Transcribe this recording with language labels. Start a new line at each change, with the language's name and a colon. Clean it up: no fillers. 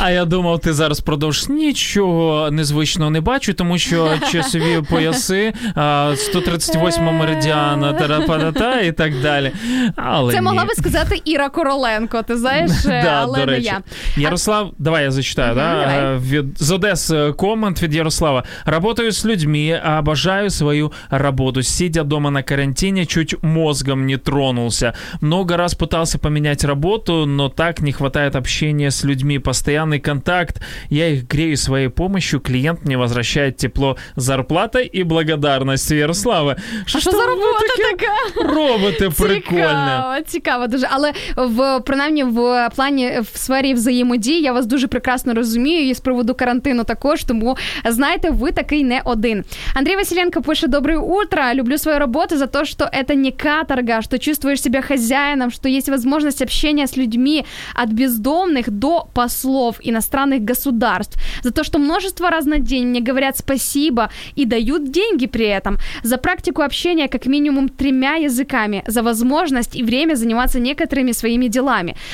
Ukrainian: А я думав, ти зараз продовжиш. Нічого незвичного не бачу, тому що часові пояси, 138 меридіана, тарапаната і так далі. Але це ні. Могла би сказати Іра Короленко, ти знаєш, да, але до речі. Не я. Ярослав, давай я зачитаю. Да? Від, з Одеси комент від Ярослава. Работаю з людьми, а бажаю свою роботу.
Russian: Сидя дома на карантині, чуть мозгом не тронувся. Много раз пытался поменять роботу, но так не хватает общения с людьми. Постоянный контакт. Я их грею своей помощью. Клиент мне возвращает тепло зарплатой и благодарность. Ярослава, что за робота така?
Ukrainian: Роботи прикольні. Цікаво дуже. Але принаймні в плані, в сфері взаємодії, я вас дуже прекрасно розумію і з приводу карантину також, тому знаєте, ви такий не один. Андрій Василенко пише:
Russian: «Доброе утро. Люблю свою роботу за то, что это не каторга, что чувствуешь себя хозяином, что есть возможность общения с людьми от бездомных до послов иностранных государств, за то, что множество раз на день мне говорят спасибо и дают деньги при этом, за практику общения как минимум тремя языками, за возможность и время заниматься некоторыми своими делами.